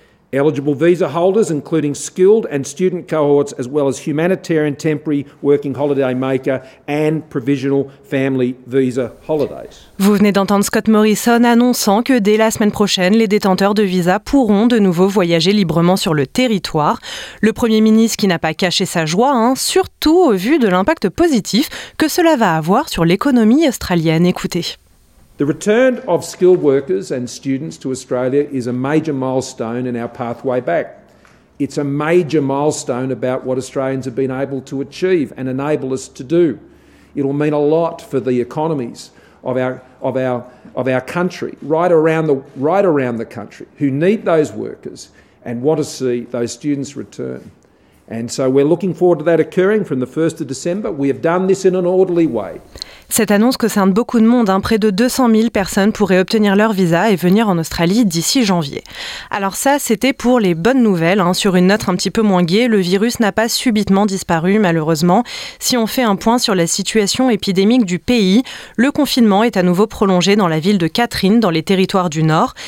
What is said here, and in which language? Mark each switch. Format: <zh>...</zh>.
<en>Eligible visa holders, including skilled and student cohorts, as well as humanitarian temporary working holiday maker and provisional family visa holidays.</en> <fr>Vous venez d'entendre Scott Morrison annonçant que dès la semaine prochaine, les détenteurs de visa pourront de nouveau voyager librement sur le territoire. Le Premier ministre qui n'a pas caché sa joie, hein, surtout au vu de l'impact positif que cela va avoir sur l'économie australienne. Écoutez.</fr> <en>The return of skilled workers and students to Australia is a major milestone in our pathway back. It's a major milestone about what Australians have been able to achieve and enable us to do. It'll mean a lot for the economies of our country, right around the country, who need those workers and want to see those students return. And so we're looking forward to that occurring from the 1st of December. We have done this in an orderly way.</en> <fr>Cette annonce concerne beaucoup de monde, hein. Près de 200 000 personnes pourraient obtenir leur visa et venir en Australie d'ici janvier. Alors ça, c'était pour les bonnes nouvelles, hein. Sur une note un petit peu moins gaie, le virus n'a pas subitement disparu malheureusement. Si on fait un point sur la situation épidémique du pays, le confinement est à nouveau prolongé dans la ville de Catherine, dans les territoires du Nord.</fr>